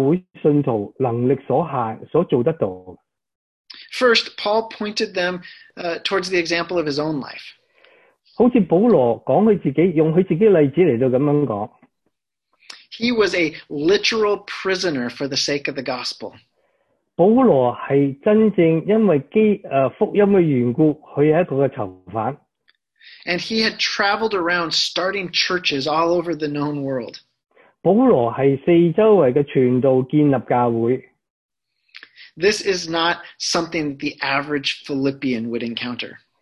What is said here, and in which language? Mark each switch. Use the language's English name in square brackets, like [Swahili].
[Chinese] 所以有时保罗更指出这个例子是超过腓立比教会信徒能力所限所做得到的。 [English] First, Paul pointed them towards the example of his own life. [Chinese] 好像保罗讲他自己,用他自己的例子来这样讲。 [English] He was a literal prisoner for the sake of the gospel. [Chinese] 保罗是真正因为福音的缘故,他是一个囚犯。 [English] And he had traveled around starting churches all over the known world. [Chinese] 保罗是四周围的传道建立教会。 [English] This is not something the average Philippian would encounter.